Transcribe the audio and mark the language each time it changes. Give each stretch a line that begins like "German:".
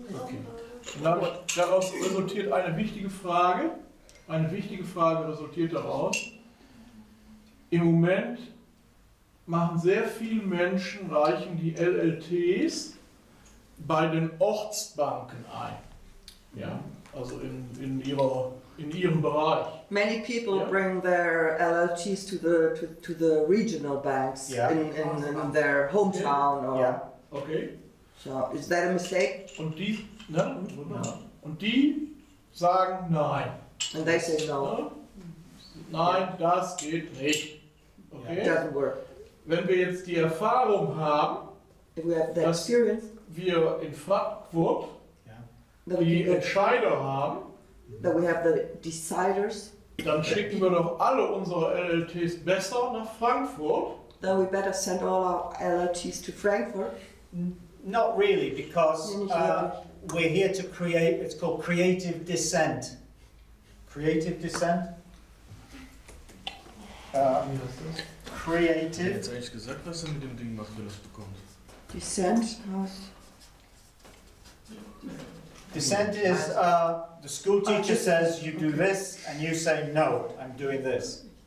German: Okay. Daraus resultiert eine wichtige Frage. Eine wichtige Frage resultiert daraus. Im Moment machen sehr viele Menschen, reichen die LLTs bei den Ortsbanken ein. Ja, also in ihrem Bereich.
English: Many people bring their LLTs to the regional banks in their hometown Okay. So is that a mistake?
German: Und die, ne? Ja. Und die sagen nein.
English: And they say no.
German: Nein, das geht nicht. Okay.
English: It doesn't work.
German: Wenn wir jetzt die Erfahrung haben,
English: if we have the experience,
German: dass wir in Frankfurt die Entscheider haben,
English: that we have the deciders,
German: dann schicken wir doch alle unsere LLTs besser nach Frankfurt.
English: Then we better send all our LLTs to Frankfurt. Not really, because we're here to create, it's called creative dissent. Creative dissent? created.
German: Er hat jetzt eigentlich gesagt, was er mit dem Ding macht, wenn er es bekommt.
English: Descent
German: aus.
English: Descent is the school teacher says you do this and you say no, I'm doing this.